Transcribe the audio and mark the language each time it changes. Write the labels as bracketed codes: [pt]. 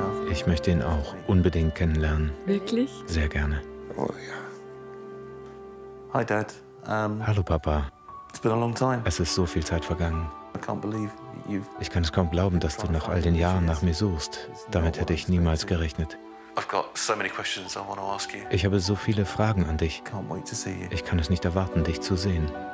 [de] Ich möchte ihn auch unbedingt kennenlernen. Wirklich? Sehr gerne. [en] Oh, ja. Hi, Dad. [de] Hallo, Papa. [en] It's been a long time. [de] Es ist so viel Zeit vergangen. [en] I can't believe you've... [de] Ich kann es kaum glauben, dass du nach all den Jahren nach mir suchst. Damit hätte ich niemals gerechnet. [en] I've got so many questions I want to ask you. [de] Ich habe so viele Fragen an dich. [en] Can't wait to see you. [de] Ich kann es nicht erwarten, dich zu sehen.